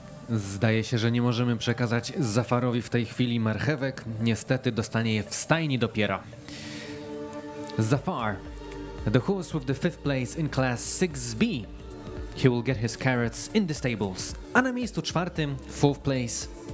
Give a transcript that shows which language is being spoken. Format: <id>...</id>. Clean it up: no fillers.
<pl>Zdaje się, że nie możemy przekazać Zafarowi w tej chwili marchewek. Niestety dostanie je w stajni dopiero.</pl> <en>Zafar, the horse with the fifth place in class 6B. He will get his carrots in the stables.</en> <pl>A na miejscu czwartym,</pl> <en>fourth place.</en>